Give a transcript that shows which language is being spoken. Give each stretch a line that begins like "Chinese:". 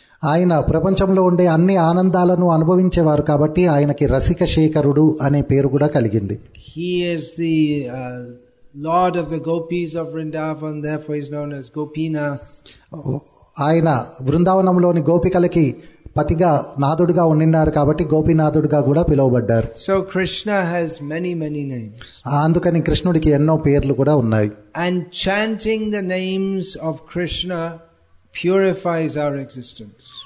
Telugu: ఆయన ప్రపంచంలో ఉండే అన్ని ఆనందాలను అనుభవించేవారు కాబట్టి ఆయనకి రసిక శేఖరుడు అనే పేరు కూడా కలిగింది.
English: He is the lord of the gopis of Vrindavan, therefore he is known as Gopinath.
Telugu: ఆయన బృందావనంలోని గోపికలకి పతిగా నాథుడిగా ఉండిన్నారు కాబట్టి గోపీనాథుడిగా కూడా పిలువబడ్డారు.
English: So Krishna has many many names.
Telugu: అందుకని కృష్ణుడికి ఎన్నో పేర్లు కూడా ఉన్నాయి.
English: And chanting the names of Krishna purifies our existence.